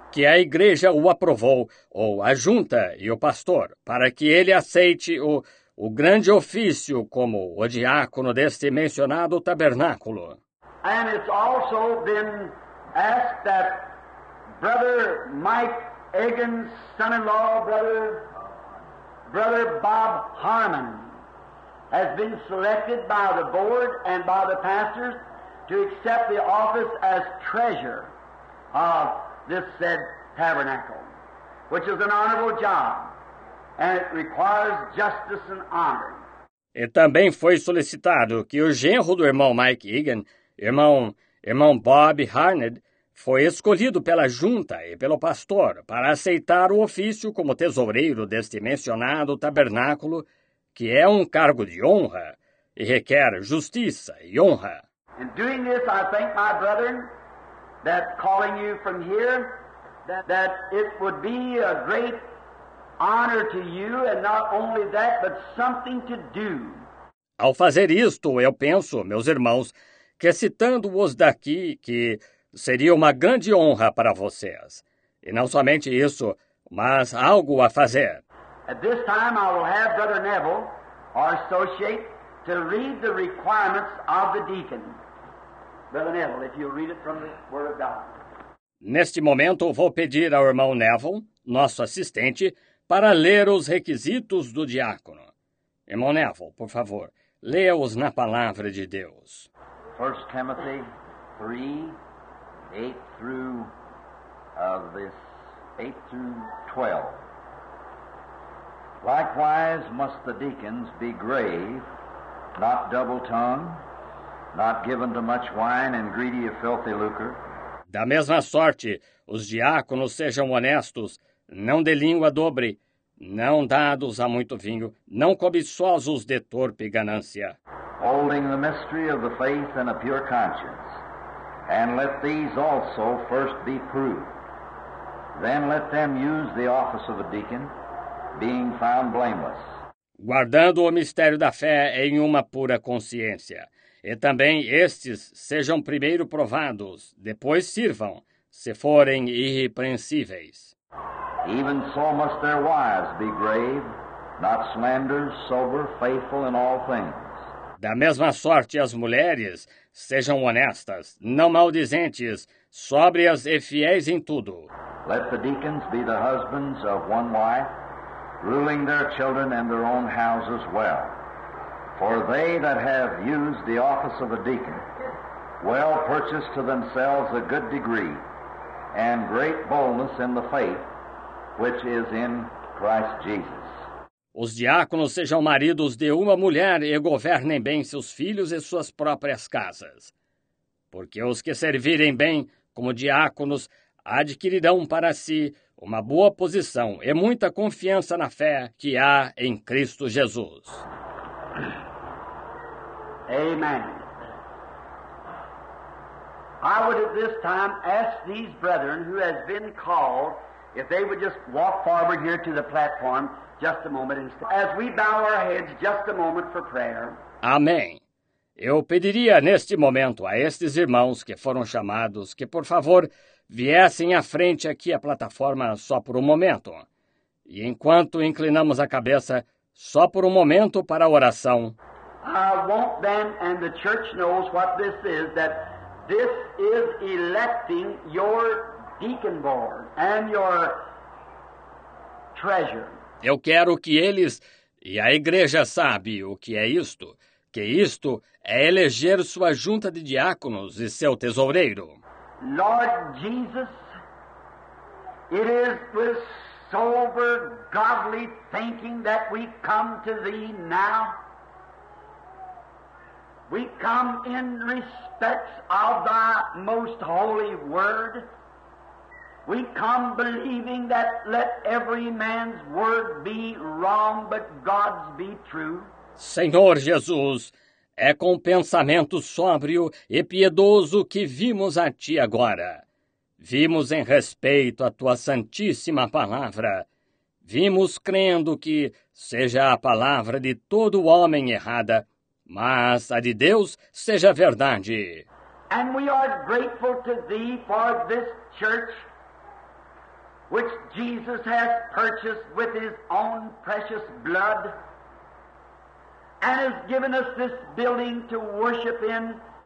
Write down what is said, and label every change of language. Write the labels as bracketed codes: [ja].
[pt] Que a igreja o aprovou, ou a junta e o pastor, para que ele aceite o grande ofício como o diácono deste mencionado tabernáculo. [en] And it's also been asked that Brother Mike Egan's son-in-law, Brother Bob Harmon, has been selected by the board and by the pastors to accept the office as treasurer of this said tabernacle, which is an honorable job, and it requires justice and honor. [pt] E também foi solicitado que o genro do irmão Mike Egan, irmão Bob Harned, foi escolhido pela junta e pelo pastor para aceitar o ofício como tesoureiro deste mencionado tabernáculo, que é um cargo de honra e requer justiça e honra. [en] In doing this, I thank my brethren that calling you from here, that it would be a great honor to you, and not only that, but something to do. [pt] Ao fazer isto, eu penso, meus irmãos, que citando-os daqui, que seria uma grande honra para vocês. E não somente isso, mas algo a fazer. [en] At this time, I will have Brother Neville, our associate, to read the requirements of the deacon. Brother Neville, if you'll read it from the Word of God. [pt] Neste momento, vou pedir ao irmão Neville, nosso assistente, para ler os requisitos do diácono. Irmão Neville, por favor, leia-os na palavra de Deus. [en] 1 Timothy 3, 8 through, this 8 through 12. Likewise must the deacons be grave, not double-tongued, not given to much wine and greedy of filthy lucre. [pt] da mesma sorte, os diáconos sejam honestos, não de língua dobre, não dados a muito vinho, não cobiçosos de torpe ganância. [en] Holding the mystery of the faith in a pure conscience, and let these also first be proved. Then let them use the office of a deacon, being found blameless. [pt] Guardando o mistério da fé em uma pura consciência. E também estes sejam primeiro provados, depois sirvam, se forem irrepreensíveis. [en] Even so must their wives be grave, not slanderers, sober, faithful in all things. [pt] Da mesma sorte as mulheres sejam honestas, não maldizentes, sóbrias e fiéis em tudo. [en] Let the deacons be the husbands of one wife, ruling their children and their own houses well. For they that have used the office of a deacon well purchase to themselves a good degree and great boldness in the faith which is in Christ Jesus. [pt] Os diáconos sejam maridos de uma mulher e governem bem seus filhos e suas próprias casas. Porque os que servirem bem como diáconos adquirirão para si uma boa posição e muita confiança na fé que há em Cristo Jesus. [en] Amen. I would at this time ask these brethren who has been called if they would just walk forward here to the platform just a moment and as we bow our heads just a moment for prayer. [pt] Amém. Eu pediria neste momento a estes irmãos que foram chamados que, por favor, viessem à frente aqui à plataforma só por um momento. E enquanto inclinamos a cabeça, só por um momento para a oração. [en] I want them, and the church knows what this is, that this is electing your deacon board and your treasure. [pt] Eu quero que eles, e a igreja sabe o que é isto, que isto é eleger sua junta de diáconos e seu tesoureiro. [en] Lord Jesus, it is with sober, godly thinking that we come to thee now. We come in respect of thy most holy word. We come believing that let every man's word be wrong, but God's be true. [pt] Senhor Jesus, é com pensamento sóbrio e piedoso que vimos a ti agora. Vimos em respeito à tua santíssima palavra. Vimos crendo que, seja a palavra de todo homem errada, mas a de Deus seja verdade. [en] And we are grateful to thee for this church which Jesus has purchased with his own precious blood. And has given us this building to worship in.